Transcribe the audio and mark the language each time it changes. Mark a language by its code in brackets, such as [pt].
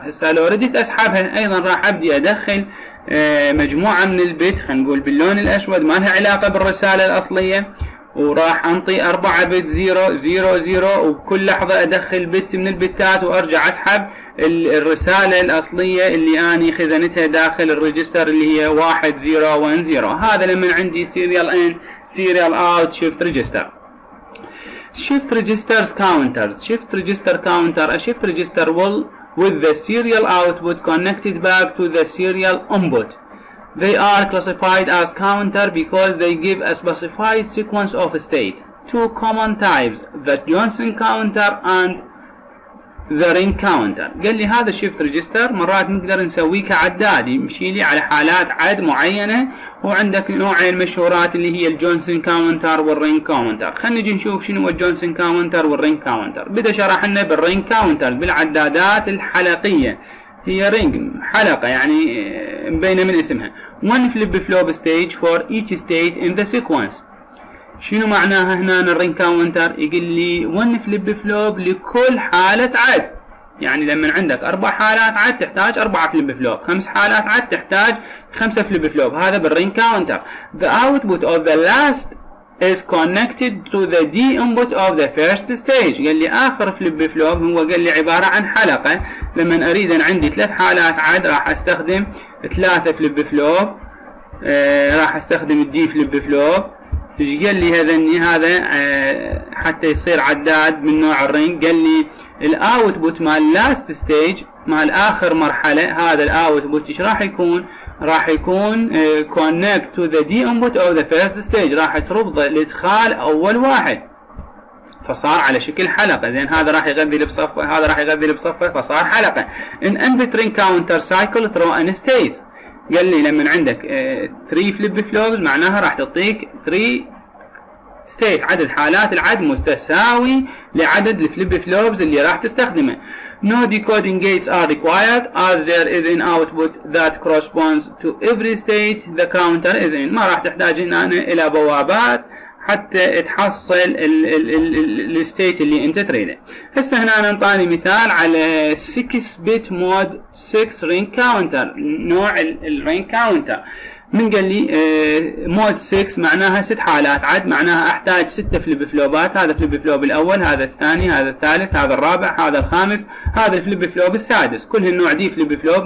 [ar] هسه لو ردت اسحبها ايضا راح ابدي ادخل مجموعه من البت، خلينا نقول باللون الاسود ما لها علاقه بالرساله الاصليه، وراح انطي 4 بت 0 0 0، وبكل لحظه ادخل بت من البتات وارجع اسحب الرساله الاصليه اللي اني خزنتها داخل الريجستر اللي هي 1010. هذا لما عندي سيريال ان سيريال اوت شيفت ريجستر. [en] Shift registers counters, shift register counter, shift register will with the serial out would connected back to the serial input. They are classified as counter because they give a specified sequence of state. Two common types, the Johnson counter and the ring counter. [ar] قال لي هذا الشيفت ريجستر مرات نقدر نسويه كعداد يمشي لي على حالات عد معينة، وعندك نوعين مشهورات اللي هي الجونسون كاونتر والرينج كاونتر. خلينا نجي نشوف شنو هو الجونسون كاونتر والرينج كاونتر. بدأ شرح لنا بالرينج كاونتر بالعدادات الحلقية، هي رينج حلقة يعني مبينة من اسمها. [en] One flip flop stage for each state in the sequence. [ar] شنو معناها هنا الرينج كاونتر؟ يقول لي one flip flop لكل حالة عد، يعني لما عندك أربع حالات عد تحتاج 4 flip flop، 5 حالات عد تحتاج 5 flip flop، هذا بالرينج كاونتر. [en] The output of the last is connected to the D input of the first stage. [ar] قال لي آخر flip flop هو قال لي عبارة عن حلقة، لما أريد أن عندي 3 حالات عد راح أستخدم 3 flip flop، راح أستخدم D flip flop. إيش قال لي هذا إني هذا حتى يصير عداد من نوع الرينج؟ قال لي الأوتبوت مال last stage مال آخر مرحلة، هذا الأوتبوت إيش راح يكون؟ راح يكون [en] connect to the D input of the first stage، [ar] راح تربط لإدخال أول واحد، فصار على شكل حلقة. زين هذا راح يغذي بصفة، هذا راح يغذي بصفة، فصار حلقة. [en] In input ring counter cycle through an state. [ar] قال لي لما عندك 3 flip flops معناها راح تعطيك 3 state، عدد حالات العد متساوي لعدد الفليب فلوبز اللي راح تستخدمه. [en] No decoding gates are required as there is an output that corresponds to every state the counter is in. [ar] ما راح تحتاج هنا الى بوابات حتى تحصل الستيت اللي انت تريده. هسه هنا انطاني مثال على 6 bit مود 6 رينج كاونتر، نوع الرينج كاونتر. من قال لي مود 6 معناها 6 حالات عد، معناها احتاج 6 فليب فلوبات، هذا فليب فلوب الاول، هذا الثاني، هذا الثالث، هذا الرابع، هذا الخامس، هذا الفليب فلوب السادس، كلهن نوع دي فليب فلوب.